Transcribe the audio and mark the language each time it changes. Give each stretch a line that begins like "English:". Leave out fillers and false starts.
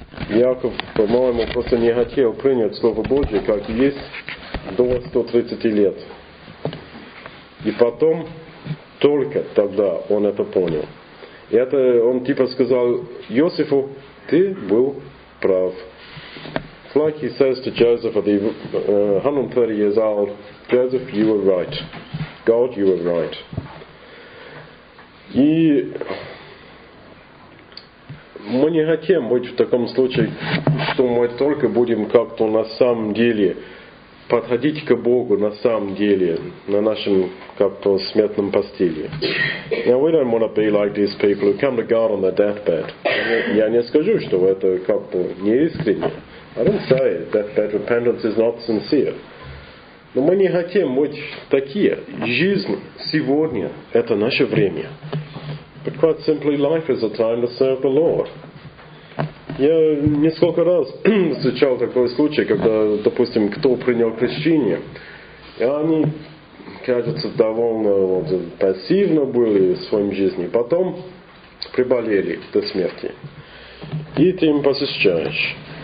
Russian: Яков, по-моему, просто не хотел принять Слово Божие, как есть, до 130 лет. И потом, только тогда он это понял. И это он типа сказал Иосифу, ты был прав.
English: It's like he says to Joseph at the 130 years old, Joseph, you were right. God, you were right.
Russian: И мы не хотим быть в таком случае, что мы только будем как-то на самом деле подходить к Богу на самом деле, на нашем как-то смертном постели.
English: Now we don't want to be like these people who come to God on their deathbed.
Russian: Я не скажу, что это как-то неискренне.
English: I don't say that that repentance is not sincere.
Russian: Но мы не хотим быть такие. Жизнь сегодня – это наше время.
English: But quite simply, life is a time to serve the Lord.
Russian: Я несколько раз встречал такой случай, когда, допустим, кто принял крещение. И они, кажется, довольно вот, пассивно были в своем жизни. Потом приболели до смерти. И ты им посещаешь.